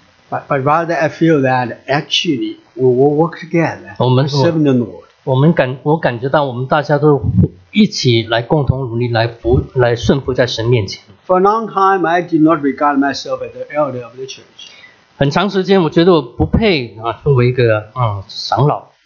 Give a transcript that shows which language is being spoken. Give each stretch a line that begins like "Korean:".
English: But rather, I feel that actually we will work together.
Chinese: 我们
English: serving the Lord.
Chinese: 我感觉到我们大家都一起来共同努力来顺服在神面前。
English: For a long time, I did not regard myself as the elder of the church.
Chinese: 很长时间，我觉得我不配作为一个长老。